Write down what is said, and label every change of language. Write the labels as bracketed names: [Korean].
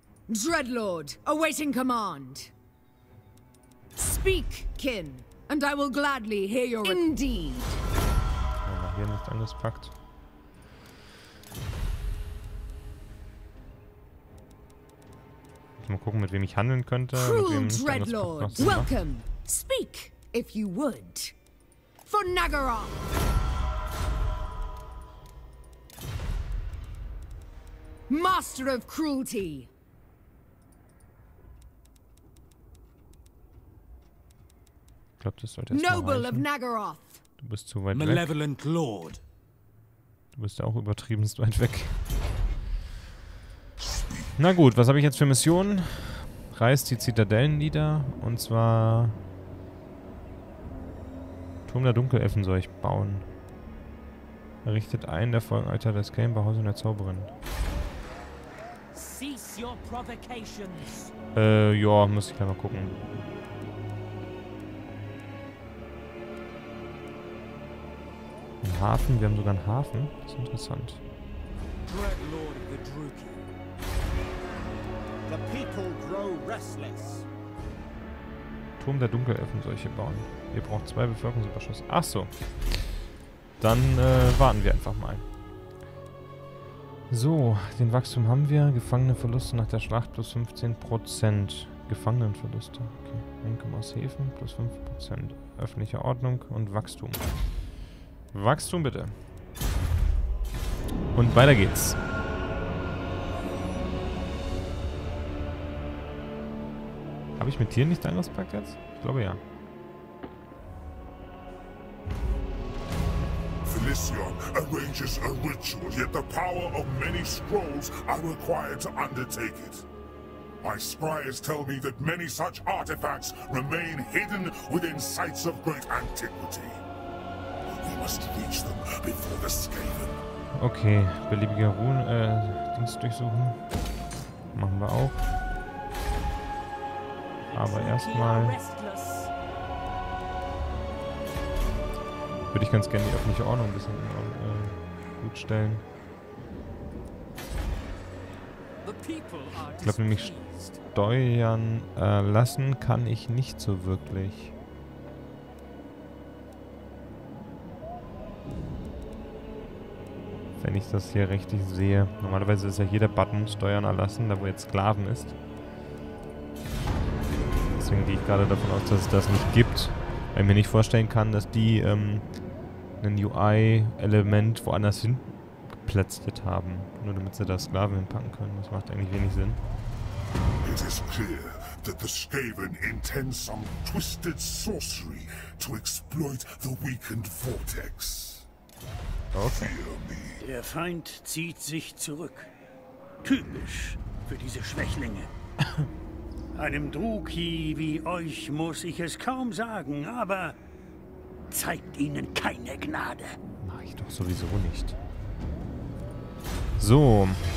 [English] Dreadlord, awaiting command. Speak, Kin, and I will gladly hear your indeed. [German] Wenn man hier nicht anders packt. Mal gucken, mit wem ich handeln könnte. [English] Cruel Dreadlord, welcome. Speak, if you would. For Naggaroth. Master of cruelty. [German] Ich glaube, das sollte erstmal reichen. [English] Noble of Naggaroth. [German] Du bist zu weit [English] Malevolent [German] weg. [English] Lord. [German] Du bist auch übertriebenst weit weg. Na gut, was habe ich jetzt für Missionen? Reißt die Zitadellen nieder. Und zwar Turm der Dunkelelfen soll ich bauen. Errichtet einen der folgenden Alter des Game bei Hausen der Zauberin. [English] Cease your provocations. [German] Ja, muss ich gleich mal gucken. Ein Hafen, wir haben sogar einen Hafen. Das ist interessant. [English] Dreadlord of the Druki. The people grow restless. [German] Turm der Dunkelelfen soll ich hier bauen. Ihr braucht 2 Bevölkerungsüberschuss. Ach so. Dann warten wir einfach mal. So, den Wachstum haben wir. Gefangenenverluste nach der Schlacht plus 15%. Gefangenenverluste. Okay. Einkommen aus Häfen plus 5%. Öffentliche Ordnung und Wachstum. Wachstum bitte. Und weiter geht's. Habe ich mit Tieren nicht ein Respekt jetzt? Ich glaube ja. [English] Felicion arranges a ritual, yet the power of many scrolls are required to undertake it. My scryers tell me that many such artifacts remain hidden within sites of great antiquity. We must reach them before the Skaven. [German] Okay, beliebige Runen, Dings durchsuchen. Machen wir auch. Aber erstmal würde ich ganz gerne die öffentliche Ordnung ein bisschen gut stellen. Ich glaube nämlich steuern lassen kann ich nicht so wirklich. Wenn ich das hier richtig sehe. Normalerweise ist ja hier der Button steuern erlassen, da wo jetzt Sklaven ist. Deswegen gehe ich gerade davon aus, dass es das nicht gibt. Weil ich mir nicht vorstellen kann, dass die ein UI-Element woanders hin geplatzt haben. Nur damit sie da Sklaven hinpacken können. Das macht eigentlich wenig Sinn. [English] It is clear that the Skaven intend some twisted sorcery to exploit the weakened vortex. Okay. [German] Der Feind zieht sich zurück. Typisch für diese Schwächlinge. Einem Druki wie euch muss ich es kaum sagen, aber zeigt ihnen keine Gnade. Mach ich doch sowieso nicht. So.